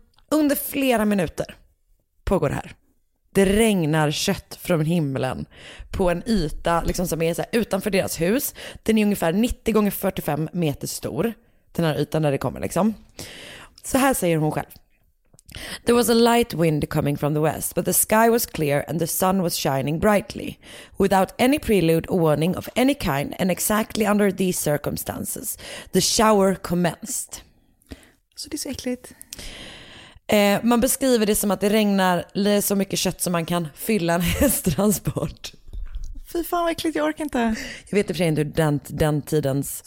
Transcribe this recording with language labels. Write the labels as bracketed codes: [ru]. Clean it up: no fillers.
[sv] Under flera minuter pågår det här. Det regnar kött från himlen på en yta liksom som är så här utanför deras hus. Den är ungefär 90x45 meter stor. Den här ytan där det kommer liksom. Så här säger hon själv. [en] There was a light wind coming from the west, but the sky was clear and the sun was shining brightly. Without any prelude or warning of any kind and exactly under these circumstances, the shower commenced. [sv] Så det är så äckligt. Man beskriver det som att det regnar så mycket kött som man kan fylla en hästtransport. Fy fan vad äckligt, jag orkar inte. Jag vet inte för sig inte hur den tidens...